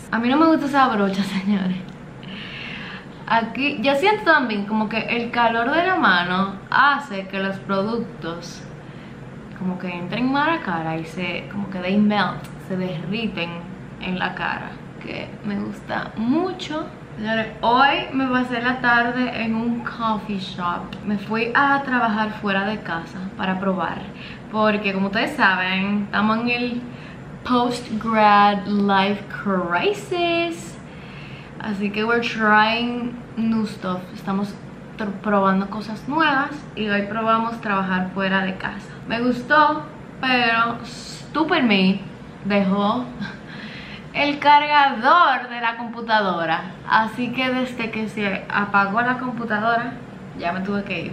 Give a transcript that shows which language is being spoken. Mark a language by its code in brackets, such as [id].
[es] A mí no me gusta esa brocha, señores. Aquí, yo siento también como que el calor de la mano hace que los productos como que entren más a la cara y se, como que [en] they melt, [es] se derriten en la cara, que me gusta mucho. Señores, hoy me pasé la tarde en un coffee shop. Me fui a trabajar fuera de casa para probar, porque como ustedes saben, estamos en el post-grad life crisis. Así que [en] we're trying new stuff. [es] Estamos probando cosas nuevas y hoy probamos trabajar fuera de casa. Me gustó, pero [en] stupid [es] me dejó el cargador de la computadora. Así que desde que se apagó la computadora, ya me tuve que ir.